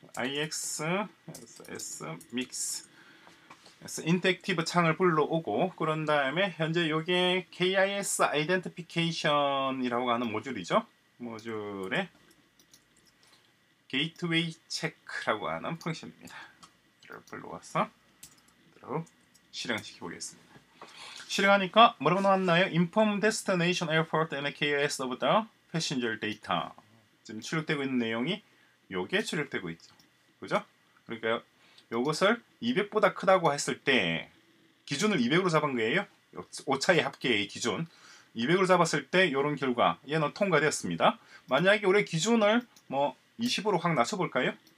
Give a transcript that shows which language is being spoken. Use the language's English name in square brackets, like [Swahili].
[Korean] IX, S, Mix, Interactive 창을 불러오고, 그런 다음에 현재 이게 KIS Identification이라고 하는 모듈이죠. 모듈에 게이트웨이 체크라고 하는 펑션입니다. 이걸 불러와서 그대로 실행시켜 보겠습니다. 실행하니까 뭐라고 나왔나요? [English] Inform destination airport and KIS of the passenger data. [Korean] 지금 출력되고 있는 내용이 요게 출력되고 있죠. 그죠? 그러니까 요것을 200보다 크다고 했을 때 기준을 200으로 잡은 거예요. 오차의 합계의 기준. 200으로 잡았을 때 요런 결과. 얘는 통과되었습니다. 만약에 우리 기준을 뭐 20으로 확 낮춰볼까요?